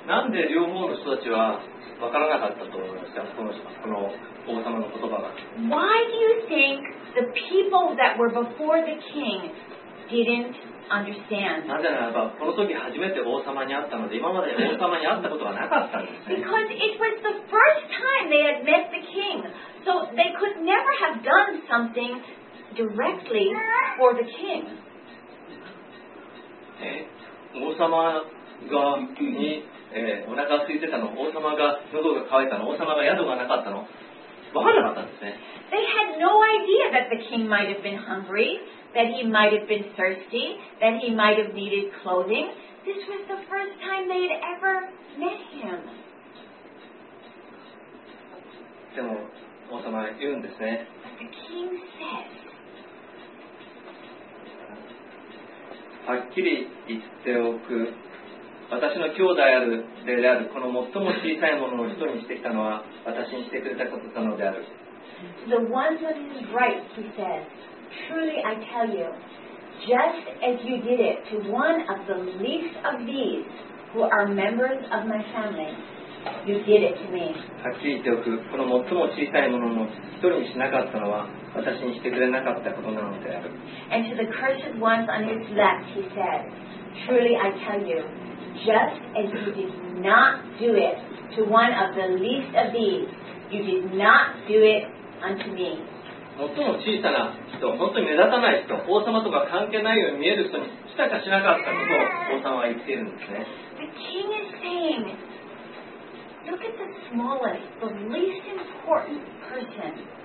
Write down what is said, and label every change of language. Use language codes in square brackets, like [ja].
[ja] なんで両方の人たちはわからなかったと思いますか？この王様の言葉が。 [en] Why do you think the people that were before the king didn't understand? [ja] なぜならば、この時初めて王様に会ったので、今まで王様に会ったことはなかったんですね。 [en] Because it was the first time they had met the king, so they could never have done something directly for the king. [ja] 王様がに、お腹空いてたの、王様が喉が渇いたの、王様が宿がなかったの、分からなかったんですね。 [en] They had no idea that the king might have been hungry. That he might have been thirsty, that he might have needed clothing. This was the first time they had ever met him. [ja] でも、王様は言うんですね。 [en] But the king says, [ja] はっきり言っておく。私の兄弟である、であるこの最も小さいものを人にしてきたのは、私にしてくれたことなのである。 [en] The ones on his right, he says,Truly I tell you, just as you did it to one of the least of these who are members of my family, you did it to me. [ja] はっきり言っておく、この最も小さいものの一人にしなかったのは、私にしてくれなかったことなのである。 [en] And to the cursed ones on his left, he said, Truly I tell you, just as you did not do it to one of the least of these, you did not do it unto me. [ja] 最も小さな人、本当に目立たない人、王様とか関係ないように見える人にしたかしなかったことを王様は言っているんですね。 [en] The king is saying, look at the smallest, the least important person.